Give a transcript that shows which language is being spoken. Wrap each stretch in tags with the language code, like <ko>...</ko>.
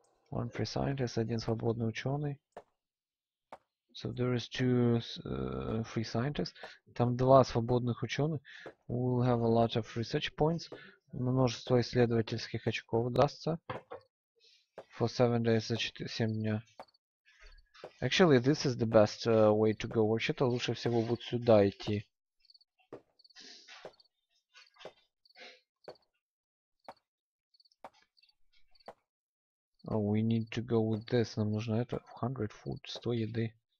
<en>One free scientist,</en> <ru>один свободный ученый.</ru> <en>So there is two free scientists.</en> <ru>Там два свободных ученых.</ru> <en>We'll have a lot of research points.</en> <ru>Множество исследовательских очков удастся.</ru> <en>For 7 days,</en> <ru>за 7 дня.</ru> <en>Actually, this is the best way to go.</en> <ru>Вообще-то лучше всего вот сюда идти.</ru> <en>Oh, we need to go with this.</en> <ru>Нам нужно это.</ru> <en>100 food, 100 еды.</en>